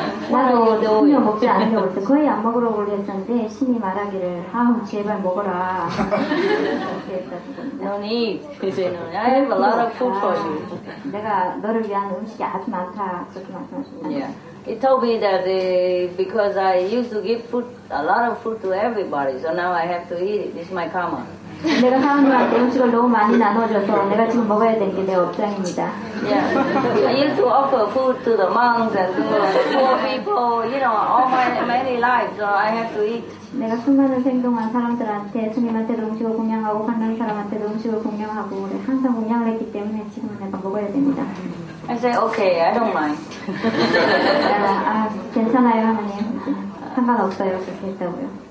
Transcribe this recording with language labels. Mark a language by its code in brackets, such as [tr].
[ko] 나도 신이 먹지 않으려고 했어. 거의 안 먹으려고 했었는데 신이 말하기를 아 제발 먹어라 너니 그제는 [en] I have a lot of food for you. [ko] 내가 너를 위한 음식이 아주 많다 그렇게 말씀하셨다. [en] He told me that because I used to give food, a lot of food to everybody, so now I have to eat it. This is my karma. [ko] 내가 사람들한테 음식을 너무 많이 나눠줘서 내가 지금 먹어야 되는 게 내 업장입니다. [en] Yeah. I used to offer food to the monks and to poor people, you know, all my many lives, so I have to eat. [ko] 내가 수많은 생 동안 사람들한테 스님한테도 음식을 공양하고 한다는 사람한테도 음식을 공양하고 항상 공양을 했기 때문에 지금은 내가 먹어야 됩니다. [en] I say, okay, I don't mind. [ko] 아, 괜찮아요, 하나님. 상관없어요, 그렇게 했다고요.